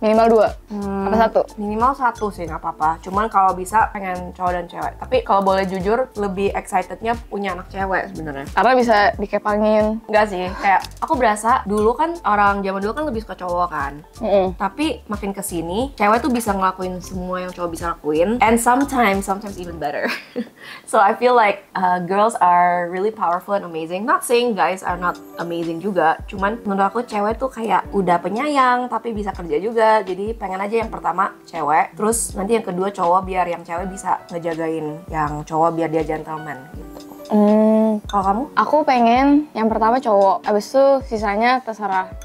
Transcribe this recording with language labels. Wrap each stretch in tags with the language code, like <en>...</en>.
<id>Minimal 2? Apa 1? Minimal 1 sih, gak apa-apa. Cuman kalau bisa pengen cowok dan cewek. Tapi kalau boleh jujur, lebih excitednya punya anak cewek sebenarnya. Karena bisa dikepangin. Enggak sih, kayak aku berasa dulu kan orang zaman dulu kan lebih suka cowok kan. Tapi makin kesini, cewek tuh bisa ngelakuin semua yang cowok bisa lakuin.</id> <en>And sometimes even better. So I feel like girls are really powerful and amazing. Not saying guys are not amazing</en> <id>juga. Cuman menurut aku cewek tuh kayak udah penyayang tapi bisa kerja juga. Jadi pengen aja yang pertama cewek, terus nanti yang kedua cowok, biar yang cewek bisa ngejagain yang cowok biar dia gentleman gitu. Kalau kamu? Aku pengen yang pertama cowok, abis itu sisanya terserah.</id>